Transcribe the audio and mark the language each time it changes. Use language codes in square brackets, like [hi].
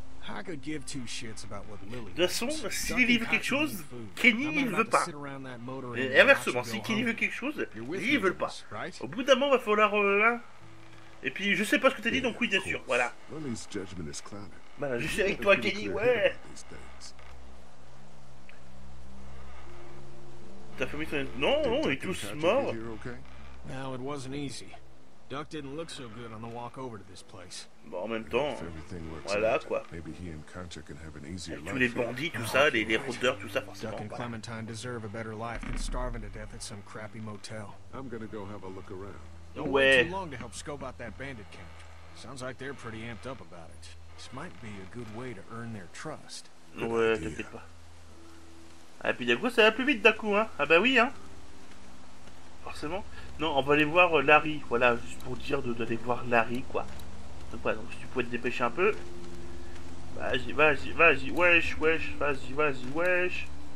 [en] I could give two shits about what Lily. [fr] De son, s'il veut quelque chose, Kenny il veut pas. Et inversement, si Kenny veut quelque chose, lui il veut pas. Au bout d'un moment, va falloir. Et puis, je sais pas ce que t'as dit, donc oui, bien sûr. Voilà. [en] Lily's judgment is clouded. [fr] Voilà, je suis avec toi, Kenny, ouais. Ta famille est. Non, ils tous morts. [en] Now it wasn't easy. Duck didn't look so good on the walk over to this place. [fr] Bon, en même temps, voilà quoi. [en] Maybe he and Concha can have an easier life. [fr] Tous les bandits, tout ça, les rôdeurs, tout ça, forcément. [en] Duck and Clementine deserve a better life than starving to death at some crappy motel. I'm gonna go have a look around. Don't wait too long to help scope out that bandit camp. Sounds like they're pretty amped up about it. This might be a good way to earn their trust. [fr] Ouais, t'inquiète pas. Ah, et puis d'un coup, ça va plus vite d'un coup, hein. Ah bah oui, hein. Forcément. Non, on va aller voir Larry. Voilà, juste pour dire d'aller voir Larry, quoi. n'importe quoi. Donc si tu pouvais te dépêcher un peu. Vas-y, vas-y, vas-y, wesh, wesh, vas-y, vas-y, wesh.